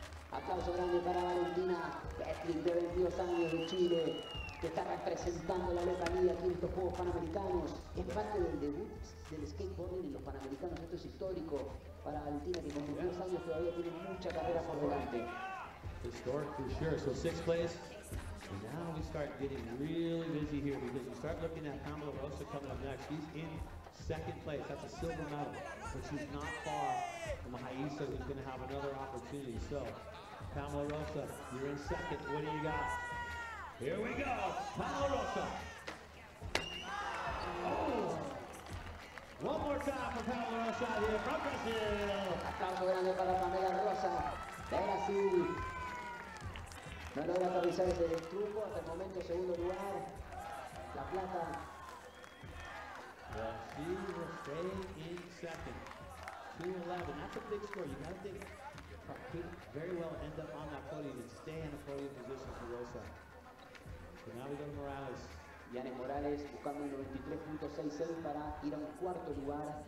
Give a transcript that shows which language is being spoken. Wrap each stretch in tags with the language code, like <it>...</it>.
<es>Aplauso grande para Valentina, Petrin de 22 años de Chile, que está representando la localidad aquí en estos Juegos Panamericanos. Es parte del debut del skateboarding en los Panamericanos, esto es histórico para Valentina, que con 22 años todavía tiene mucha carrera por delante.</es> <en>Historic for sure, so sixth place. And now we start getting really busy here because we start looking at Pamela Rosa coming up next. She's in second place. That's a silver medal. But she's not far from Haisa, who's going to have another opportunity. So, Pamela Rosa, you're in second. What do you got? Here we go. Pamela Rosa. Oh. One more time for Pamela Rosa here from Brazil.</en> <es>No logra aterrizar ese truco, hasta el momento segundo lugar, la plata.</es> <en>Well, she will stay in second. 2.11, that's a big score. You gotta think, could very well end up on that podium and stay in a podium position for Rosa. So now we go to Morales.</en> <es>Yanis Morales buscando el 93.66 para ir a un cuarto lugar.</es>